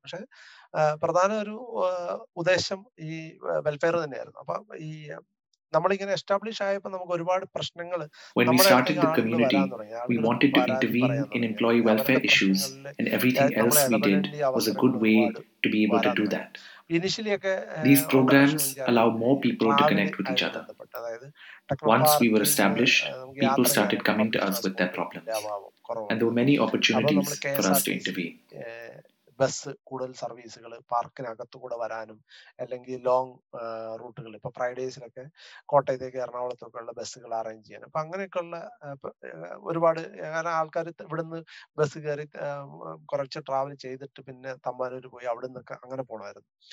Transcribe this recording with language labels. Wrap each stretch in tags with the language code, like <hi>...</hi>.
<ml>പക്ഷെ പ്രധാന ഒരു ഉദ്ദേശം ഈ വെൽഫെയർ തന്നെയായിരുന്നു. അപ്പൊ ഈ നമ്മളിങ്ങനെ എസ്റ്റാബ്ലിഷ് ആയപ്പോ നമുക്ക് ഒരുപാട് പ്രശ്നങ്ങൾ</ml> <en>initially ഒക്കെ these programs allow more people to connect with each other. Once we were established, people started coming to us with their problems and there were many opportunities for us to intervene.</en> <ml>Bus കൂടുതൽ സർവീസുകൾ പാർക്കിനകത്തു കൂടെ വരാനും അല്ലെങ്കിൽ long റൂട്ടുകൾ ഇപ്പോൾ ഫ്രൈഡേസിലൊക്കെ കോട്ടയത്തേക്ക് എറണാകുളത്തൊക്കെ ഉള്ള ബസ്സുകൾ arrange ചെയ്യാൻ. അപ്പം അങ്ങനെയൊക്കെയുള്ള ഒരുപാട് കാരണം ആൾക്കാർ ഇവിടെ നിന്ന് ബസ് കയറി കുറച്ച് ട്രാവൽ ചെയ്തിട്ട് പിന്നെ തമ്മാനൂർ പോയി അവിടെ നിന്നൊക്കെ അങ്ങനെ പോകണമായിരുന്നു.</ml>